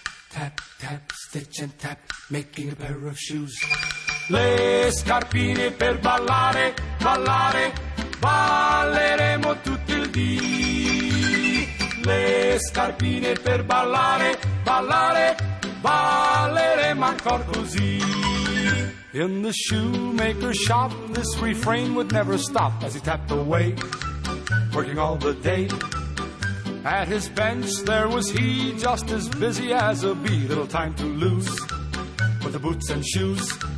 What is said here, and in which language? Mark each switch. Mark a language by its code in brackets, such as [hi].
[en] tap, tap, stitch and tap, making a pair of shoes. [it] Le scarpine per ballare, ballare, balleremo tutto il dì. Le scarpine per ballare, ballare, balleremo ancor così. [en] In the shoemaker's shop, this refrain would never stop as he tapped away, working all the day. At his bench there was he, just as busy as a bee. Little time to lose with the boots and shoes.